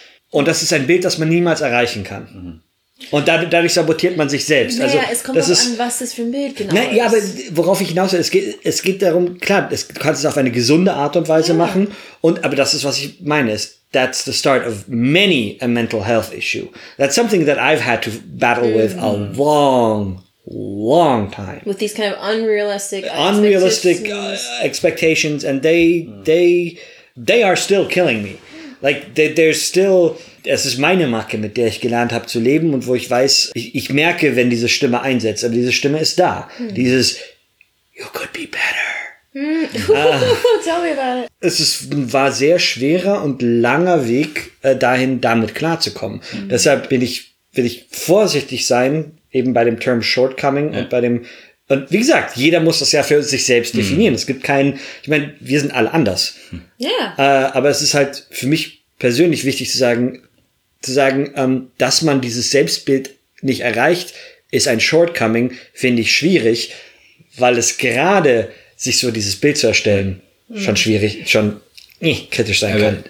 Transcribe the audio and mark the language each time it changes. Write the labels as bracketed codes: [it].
[de] Und das ist ein Bild, das man niemals erreichen kann. Und dadurch sabotiert man sich selbst. Naja, also, es kommt auch an, was das für ein Bild genau ist. Ja, aber worauf ich hinaus will, es geht darum, klar, du kannst es auf eine gesunde Art und Weise machen, aber das ist, was ich meine, [en] that's the start of many a mental health issue. That's something that I've had to battle with a long, long time. With these kind of unrealistic expectations. Expectations, and they are still killing me. Like, there's still... [de] Es ist meine Macke, mit der ich gelernt habe zu leben und wo ich weiß, ich merke, wenn diese Stimme einsetzt, aber diese Stimme ist da. Dieses, [en] you could be better. Tell me about it. [de] Es war sehr schwerer und langer Weg dahin, damit klarzukommen. Deshalb will ich vorsichtig sein, eben bei dem Term Shortcoming und bei dem... Und wie gesagt, jeder muss das ja für sich selbst definieren. Es gibt keinen... Ich meine, wir sind alle anders. Aber es ist halt für mich persönlich wichtig zu sagen, dass man dieses Selbstbild nicht erreicht, ist ein Shortcoming, finde ich schwierig, weil es gerade sich so dieses Bild zu erstellen schon kritisch sein kann.